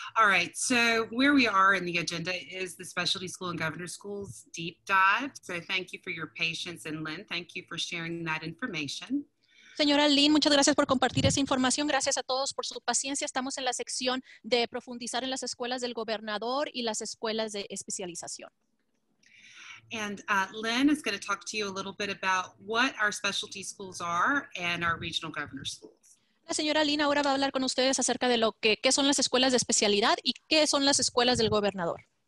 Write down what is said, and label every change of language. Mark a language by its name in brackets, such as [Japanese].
[English] All right, so where we are in the agenda is the specialty school and governor schools deep dive. So thank you for your patience, and Lynn, thank you for sharing that information. [Spanish] Señora Lynn, muchas gracias por compartir esa información. Gracias a todos por su paciencia. Estamos en la sección de profundizar en las escuelas del gobernador y las escuelas de especialización. [English] And Lynn is going to talk to you a little bit about what our specialty schools are and our regional governor schools. [Spanish] La señora Lynn ahora va a hablar con ustedes acerca de lo que qué son las escuelas de especialidad y qué son las escuelas del gobernador.